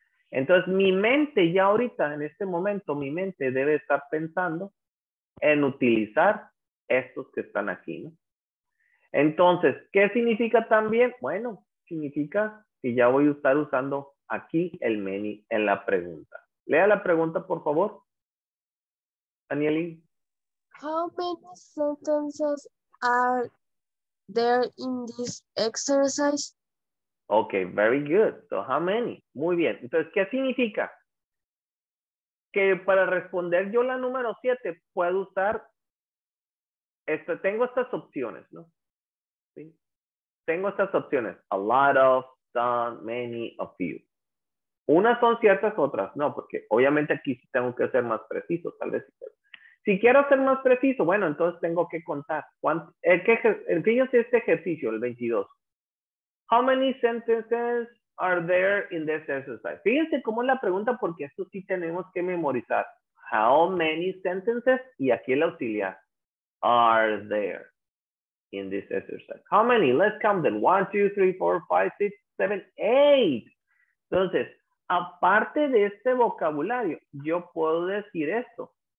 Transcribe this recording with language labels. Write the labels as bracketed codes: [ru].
[es] Entonces, mi mente ya ahorita, en este momento, mi mente debe estar pensando en utilizar estos que están aquí, ¿no? Entonces, ¿qué significa también? Bueno, significa que ya voy a estar usando aquí el many en la pregunta. Lea la pregunta, por favor. Anielín. [en] How many sentences are there in this exercise? Okay, very good. So how many? [es] Muy bien. Entonces, ¿qué significa? Que para responder yo la número 7 puedo usar esto, tengo estas opciones, ¿no? ¿Sí? Tengo estas opciones. [en] A lot of, some, many, a few. [es] Unas son ciertas, otras no, porque obviamente aquí sí tengo que ser más preciso, tal vez. Si quiero ser más preciso, bueno, entonces tengo que contar. Fíjense este ejercicio, el 22. [en] How many sentences are there in this exercise? [es] Fíjense cómo es la pregunta, porque esto sí tenemos que memorizar. [en] How many sentences? [es] Y aquí el auxiliar. [en] Are there in this exercise? How many? Let's count them. 1, 2, 3, 4, 5, 6, 7, 8. [es] Entonces, aparte de este vocabulario, yo puedo decir esto.